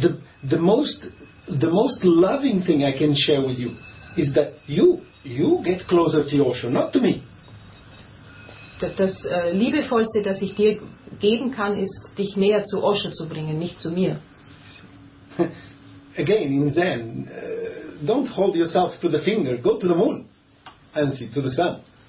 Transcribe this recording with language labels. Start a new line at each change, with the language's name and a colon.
English: The most loving thing I can share with you is that you get closer to Osho, not to me.
German: Das liebevollste, das ich dir geben kann, ist, dich näher zu Osho zu bringen, nicht zu mir.
English: Again, in Zen, don't hold yourself to the finger, go to the moon, and see to the sun.